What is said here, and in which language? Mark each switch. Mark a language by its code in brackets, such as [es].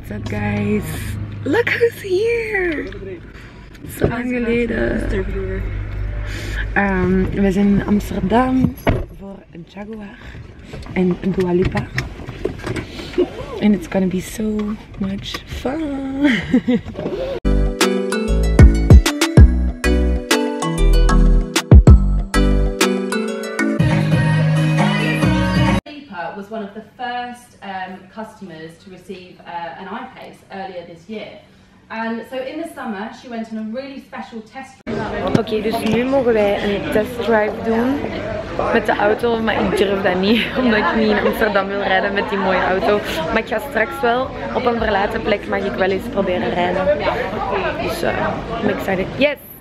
[en] Guys, look who's here! [nl] Zo lang geleden. We zijn in Amsterdam voor Jaguar en Dua Lipa. [en] And it's gonna be so much fun. Was one of the first customers to receive an iPace earlier this year. And so in the summer she went on a really special test drive. [nl] Okay, dus nu mogen wij een test drive doen met de auto, maar ik durf dat niet, omdat ik niet in Amsterdam wil rijden met die mooie auto. Maar ik ga straks wel op een verlaten plek, mag ik wel eens proberen rijden. [en] Dus I'm excited. Yes!